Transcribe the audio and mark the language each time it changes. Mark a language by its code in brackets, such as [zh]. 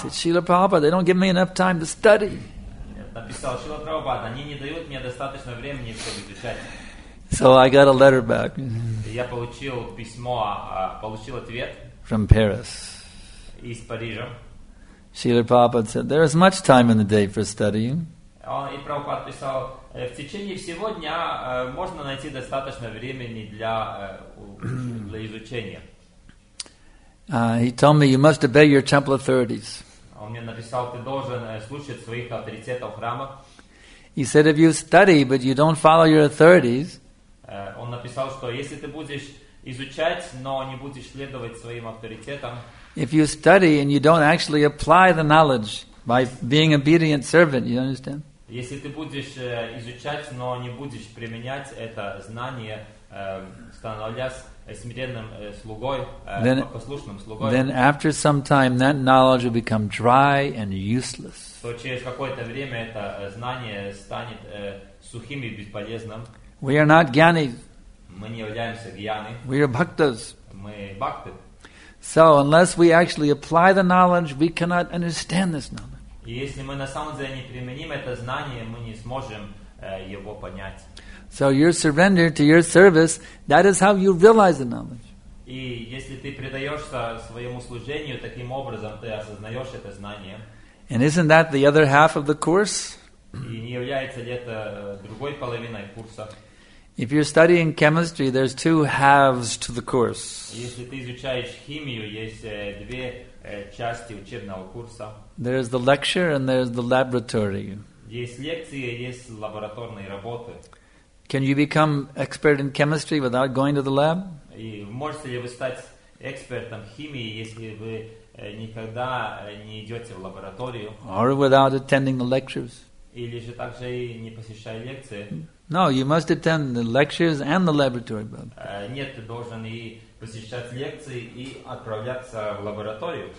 [en] Said, Srila Prabhupada, they don't give me enough time to study. [ru] Написал, Шрила Прабхупада, они не дают мне достаточно времени, чтобы изучать. [en] So I got a letter back. [ru] Я получил письмо, получил ответ. [en] From Paris. [ru] Из Парижа. [en] Srila Prabhupada said, there is much time in the day for studying. [ru] Он и Прабхупад писал, в течение всего дня можно найти достаточно времени для для изучения. [en] He told me, you must obey your temple authorities. [ru] Он мне написал, ты должен слушать своих авторитетов храма. [en] He said, if you study, but you don't follow your authorities, [ru] он написал, что если ты будешь изучать, но не будешь следовать своим авторитетам, [en] if you study and you don't actually apply the knowledge by being obedient servant, you understand? [ru] Если ты будешь изучать, но не будешь применять это знание, становясь смиренным слугой, послушным слугой, [en] then after some time that knowledge will become dry and useless. [ru] То через какое-то время это знание станет сухим и бесполезным. [en] We are not gyanis. [ru] Мы не являемся гьяны. [en] We are bhaktas. [ru] Мы бхакты. [en] So unless we actually apply the knowledge, we cannot understand this knowledge. [ru] И если мы на самом деле не применим это знание, мы не сможем его понять. [en] So your surrender to your service, that is how you realize the knowledge. [ru] И если ты предаешься своему служению, таким образом ты осознаешь это знание. [en] And isn't that the other half of the course? [ru] И не является ли это другой половиной курса? [en] If you're studying chemistry, there's two halves to the course. [ru] Если ты изучаешь химию, есть две части учебного курса. [en] There's the lecture and there's the laboratory. [ru] Есть лекции, есть лабораторные работы. [en] Can you become expert in chemistry without going to the lab? [ru] И можете ли вы стать экспертом в химии, если вы никогда не идете в лабораторию? [en] Or without attending the lectures? [ru] Или же также и не посещая лекции? [en] No, you must attend the lectures and the laboratory. [ru] Нет, ты должен и посещать лекции и отправляться в лабораторию.